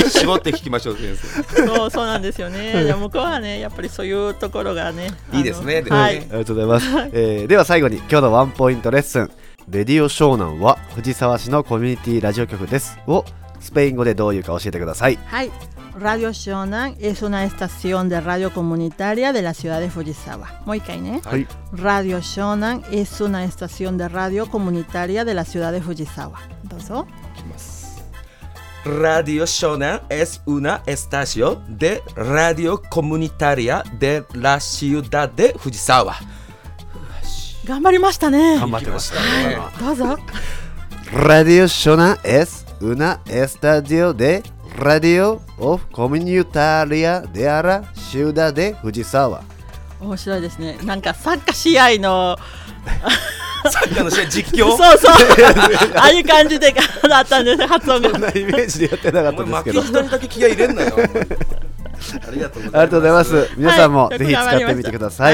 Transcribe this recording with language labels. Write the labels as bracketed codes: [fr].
[ja] 絞って聞きましょう、先生。そう、そうなんですよね。でも向こうはね、やっぱりそういうところがね、いいですね。はい、ありがとうございます。では最後に今日のワンポイントレッスン、レディオ湘南は藤沢市のコミュニティラジオ局ですをスペイン語でどういうか教えてください。 [es] はい、 Radio Shonan es una estación de radio comunitaria de la ciudad de Fujisawa. [ja] もう一回ね。はい、 [es] Radio Shonan es una estación de radio comunitaria de la ciudad de Fujisawa. [ja] どうぞ。きます。 [es] Radio Shonan es una estación de radio comunitaria de la ciudad de Fujisawa. [ja] 頑張りましたね。頑張ってました。はい、どうぞ。 [es] Radio Shonan es una estación de radio of comunitaria de la ciudad de Fujisawa. [ja] 面白いですね。なんかサッカー試合のサッカーの試合実況。そうそう。ああいう感じでだったんです、発音が。そんなイメージでやってなかったんですけど。負け人だけ気合い入れんなよ。ありがとうございます。皆さんもぜひ使ってみてください。